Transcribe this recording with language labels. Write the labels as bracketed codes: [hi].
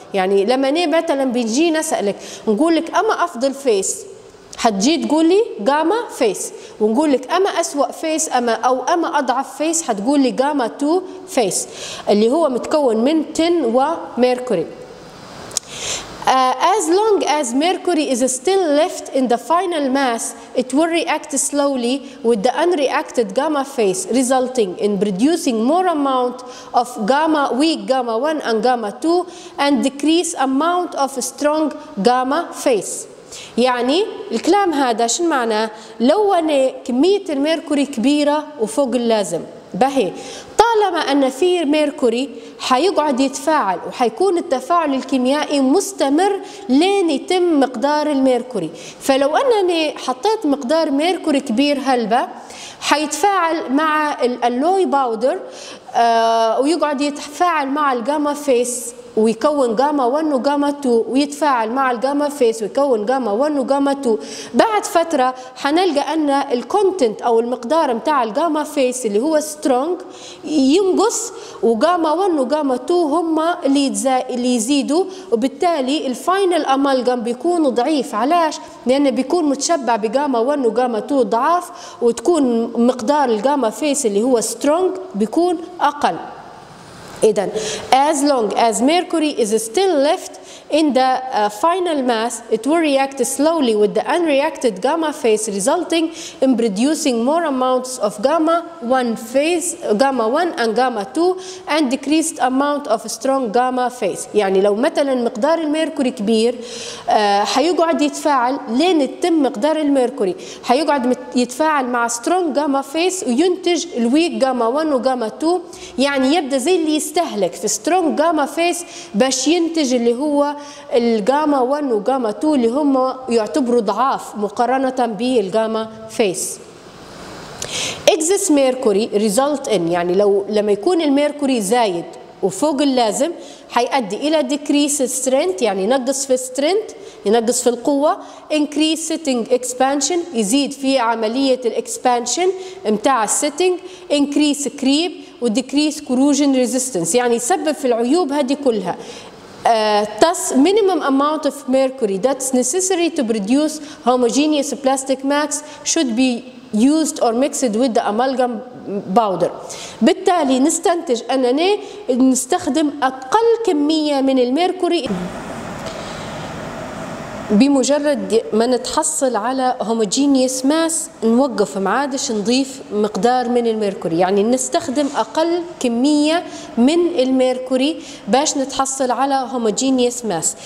[ar] يعني لما مثلا بيجي نسألك نقول لك أما أفضل فيس، هتجي تقول لي جاما فيس، ونقول لك أما أسوأ فيس أما أضعف فيس هتقول لي جاما 2 فيس اللي هو متكون من تن وميركوري. [en] As long as mercury is still left in the final mass, it will react slowly with the unreacted gamma phase, resulting in producing more amount of gamma weak gamma 1 and gamma 2 and decrease amount of strong gamma phase. [ar] يعني الكلام هذا شو معناه؟ لو أنا كمية الميركوري كبيرة وفوق اللازم، بهي طالما أن في ميركوري حيقعد يتفاعل وحيكون التفاعل الكيميائي مستمر لين يتم مقدار الميركوري. فلو أنني حطيت مقدار ميركوري كبير هلبة حيتفاعل مع الألوي باودر ويقعد يتفاعل مع الجاما فيس ويكون جاما 1 وجاما 2 ويتفاعل مع الجاما فيس ويكون جاما 1 وجاما 2. بعد فترة حنلقى أن الكونتنت أو المقدار متاع الجاما فيس اللي هو سترونج ينقص وجاما 1 وجاما 2 هما اللي يزيدوا، وبالتالي الفاينل أمالجام بيكون ضعيف. علاش؟ لأنه بيكون متشبع بجاما 1 وجاما 2 ضعاف، وتكون مقدار الجاما فيس اللي هو سترونج بيكون أقل. إذن [en] as long as mercury is still left in the final mass it will react slowly with the unreacted gamma phase resulting in producing more amounts of gamma 1 phase gamma 1 and gamma 2 and decreased amount of strong gamma phase. [ar] يعني لو مثلا مقدار الميركوري كبير حيقعد يتفاعل لين يتم مقدار الميركوري، حيقعد يتفاعل مع [en] strong gamma phase [ar] وينتج الويك gamma 1 وgamma 2، يعني يبدا زي اللي يستهلك في سترونج جاما فيس باش ينتج اللي هو الجاما 1 وجاما 2 اللي هم يعتبروا ضعاف مقارنة بالجاما فيس. إكزس ميركوري ريزلت إن، يعني لو لما يكون الميركوري زايد وفوق اللازم حيؤدي إلى ديكريس سترينت، يعني نقص في سترينت، ينقص في القوة. [en] increase sitting expansion [ar] يزيد في عملية الإكسبانشن متاع السيتنج. [en] increase creep [ar] وديكريس كروجن ريزيستنس، يعني يسبب في العيوب هذه كلها. [en] thus minimum amount of mercury that's necessary to produce homogeneous plastic mass should be used or mixed with the amalgam powder. [ar] بالتالي نستنتج أننا نستخدم أقل كمية من الميركوري بمجرد ما نتحصل على homogeneous mass نوقف، ما عادش نضيف مقدار من الميركوري، يعني نستخدم أقل كمية من الميركوري باش نتحصل على homogeneous mass.